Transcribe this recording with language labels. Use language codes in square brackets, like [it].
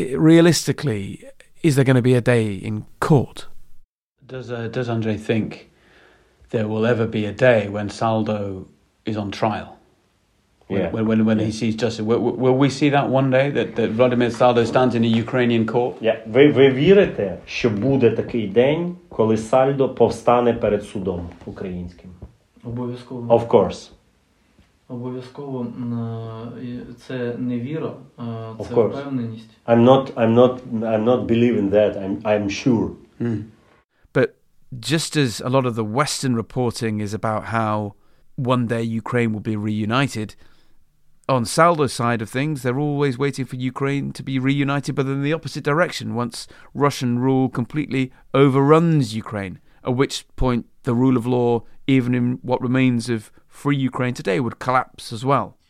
[en] Realistically, is there going to be a day in court? Does Andriy think there will ever be a day when Saldo is on trial? When he sees justice? Will we see that one day, that Vladimir Saldo stands in a Ukrainian court? Yeah. [uk] Ви вірите, що буде такий день, коли Saldo повстане перед судом українським? Обов'язково. [en] Of course. [uk] Обов'язково. Це не віра, це впевненість. [en] I'm not believing that. I'm sure. Mm. But just as a lot of the Western reporting is about how one day Ukraine will be reunited, on Saldo's side of things, they're always waiting for Ukraine to be reunited, but in the opposite direction, once Russian rule completely overruns Ukraine, at which point the rule of law, even in what remains of free Ukraine today, would collapse as well.